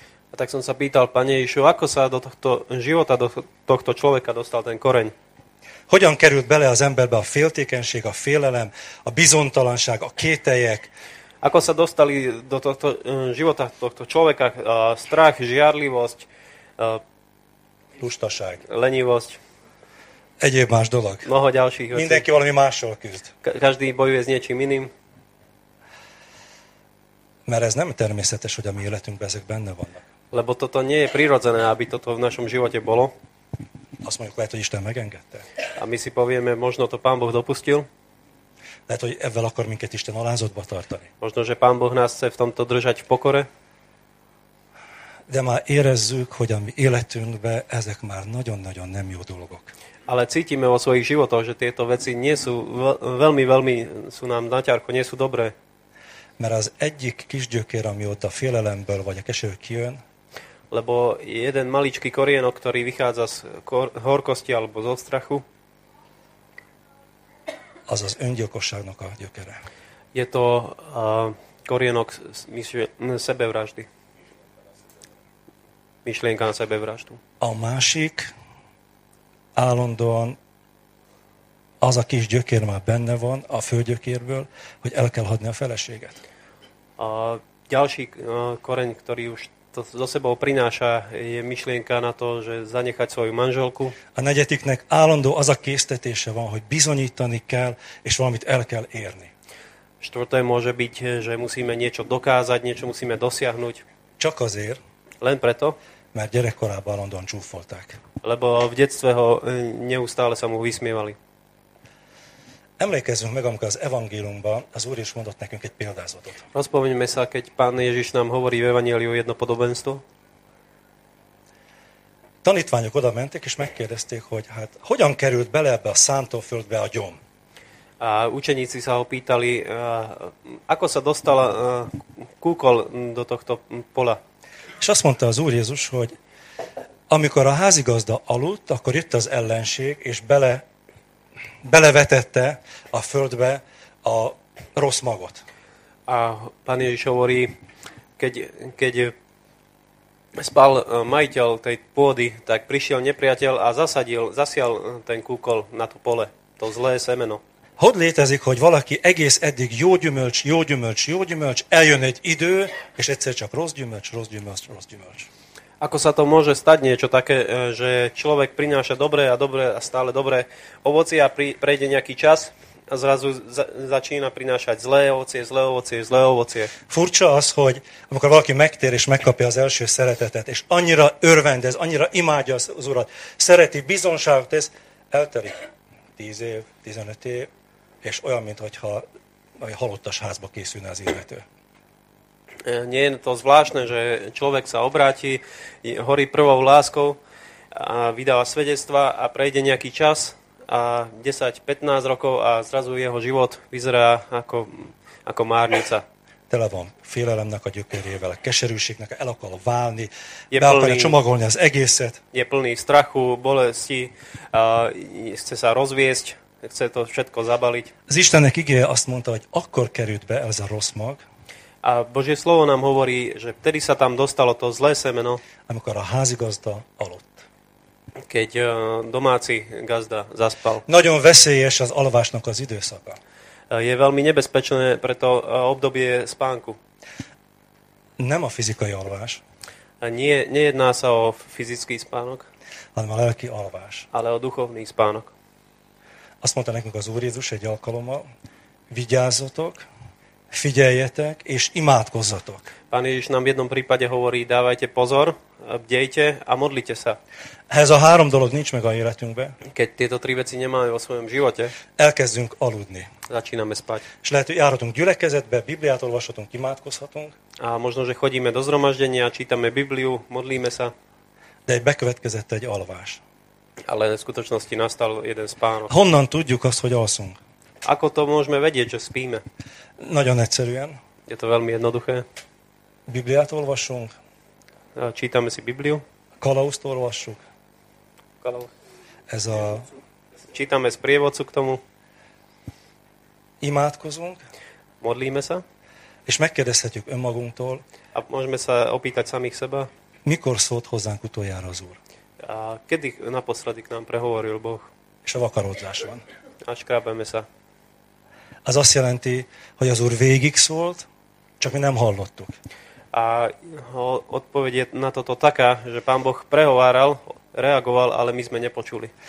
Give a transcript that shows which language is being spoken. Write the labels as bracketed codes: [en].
[sk] A tak som sa pýtal, Pane Ježišu, ako sa do tohto života, do tohto človeka dostal ten koreň? [hu] Hogyan került bele az emberbe a féltékenység, a félelem, a bizonytalanság, a kételyek? [sk] Ako sa dostali do tohto života, tohto človeka strach, žiarlivosť, [hu] lustaság, [sk] lenivosť. [hu] Egyéb más dolog. [sk] Mnoho ďalších vecí. [hu] Mindenki valami mással küzd. [sk] Každý bojuje s niečím iným. [hu] Mert ez nem természetes, hogy a mi életünkben ezek benne vannak. [sk] Lebo toto nie je prirodzené, aby toto v našom živote bolo. [hu] Azt mondjuk, lehet, hogy Isten megengedte. [sk] A my si povieme, možno to Pán Boh dopustil. [hu] Lehet, hogy ebből akar minket Isten alázatba tartani. [sk] Možno, že Pán Boh nás chce v tomto držať v pokore. [hu] De már érezzük, hogy a mi életünkben ezek már nagyon-nagyon nem jó dolgok. [sk] Ale cítime vo svojich životoch, že tieto veci nie sú veľmi, veľmi sú nám na ťarko, nie sú dobré. [hu] Mert az egyik kis gyökér, ami ott a félelemből vagy a keserűből kijön. [sk] Lebo jeden maličký korienok, ktorý vychádza z horkosti alebo zo strachu. [hu] Az az öngyilkosságnak a gyökere. [sk] Je to korienok sebevraždy. Myšlienka na sebevraždu. [hu] A másik állandóan az a kis gyökér már benne van a főgyökérből, hogy el kell hadni a feleséget. [sk] A ďalší koreň, ktorý už to zo sebou prináša, je myšlienka na to, že zanechať svoju manželku. [hu] A negyediknek állandó az a késztetése van, hogy bizonyítani kell, és valamit el kell érni. [sk] Štvrté môže byť, že musíme niečo dokázať, niečo musíme dosiahnuť. [hu] Csak azért. [sk] Len preto. [hu] Mert gyerekkorában állandóan csúfolták. [sk] Lebo v detstve ho neustále sa mu vysmievali. [hu] Emlékezzünk meg, amikor az evangéliumban az Úr is mondott nekünk egy példázatot. [sk] Rozpomeňme sa, keď Pán Ježiš nám hovorí v evanjeliu jedno podobenstvo. [hu] Tanítványok oda mentek és megkérdezték, hogy hát hogyan került bele ebbe a szántóföldbe a gyom. [sk] A učeníci sa ho pýtali, ako sa dostala kúkol do tohto pola. [hu] És azt mondta az Úr Jézus, hogy amikor a házigazda aludt, akkor jött az ellenség, és belevetette a földbe a rossz magot. [sk] A Pán Ježiš hovorí, keď spal majiteľ tej pôdy, tak prišiel nepriateľ a zasadil, zasial ten kúkol na to pole, to zlé semeno. [hu] Hogy létezik, hogy valaki egész eddig jó gyümölcs, jó gyümölcs, jó gyümölcs, eljön egy idő, és egyszer csak rossz gyümölcs, rossz gyümölcs, rossz gyümölcs. [sk] Ako sa to môže stať niečo také, že človek prináša dobré a dobré a stále dobré ovocie a prejde nejaký čas a zrazu začína prinášať zlé ovocie, zlé ovocie, zlé ovocie. [hu] Furcsa az, hogy amikor valaki megtér és megkapja az első szeretetet, és annyira örvendez, annyira imádja az Urat, szereti, bizonságot tesz, elterik 10 év, 15 év, és olyan, mintha halottas házba készülne az illető. [sk] Nie je to zvláštne, že človek sa obráti, horí prvou láskou a vydáva svedectva a prejde nejaký čas a 10-15 rokov a zrazu jeho život vyzerá ako márnica. [hu] Tele van félelemnek a gyökerével, a keserűségnek, el akar válni, je be akarja csomagolni az egészet. [sk] Je plný strachu, bolesti, a chce sa rozviesť, chce to všetko zabaliť. [hu] Z Istennek igéje azt mondta, hogy akkor került be ez a rossz mag. [sk] A Božie slovo nám hovorí, že vtedy sa tam dostalo to zlé semeno. [hu] Amikor a házigazda aludt. [sk] Keď domáci gazda zaspal. [hu] Nagyon veszélyes az alvásnak az időszaka. [sk] Je veľmi nebezpečné pre to obdobie spánku. [hu] Nem a fyzikai alvás. [sk] Nejedná sa o fyzický spánok. [hu] Hanem a lelki alvás. [sk] Ale o duchovný spánok. [hu] Azt mondta nekünk az Úr Jézus egy alkalommal, vigyázzatok, figyeljetek és imádkozzatok. [sk] Pán Ježiš nám v jednom prípade hovorí, dávajte pozor, bdejte a modlite sa. [hu] Ez a három dolog nincs meg a életünkbe. [sk] Keď tieto tri veci nemáme vo svojom živote, [hu] elkezdünk aludni. [sk] Začíname spať. [hu] És lehet, hogy járhatunk gyülekezetbe, Bibliát olvashatunk, imádkozhatunk. [sk] A možno, že chodíme do zhromaždenia, čítame Bibliu, modlíme sa. [hu] De egy bekövetkezett egy alvás. [sk] Ale v skutočnosti nastal jeden spánok. [hu] Honnan tudjuk azt, hogy alszunk? [sk] Ako to môžeme vedieť, že spíme? [hu] Nagyon egyszerűen. [sk] Je to veľmi jednoduché. [hu] Bibliát olvasunk. [sk] Čítame si Bibliu. [hu] Kalauzt olvassuk. Ez a... [sk] Čítame sprievodcu k tomu. [hu] Imádkozunk. [sk] Modlíme sa. [hu] És megkérdezhetjük önmagunktól. [sk] A môžeme sa opýtať samých seba. [hu] Mikor szólt hozzánk utoljára az Úr? [sk] A kedy naposledy k nám prehovoril Boh? [hu] És a vakarodzás van. [sk] A škrábeme sa. [hu] Az azt jelenti, hogy az Úr végig szólt, csak mi nem hallottuk. [sk] A odpoveď je na toto taká, že Pán Boh prehováral, reagoval, ale my sme nepočuli.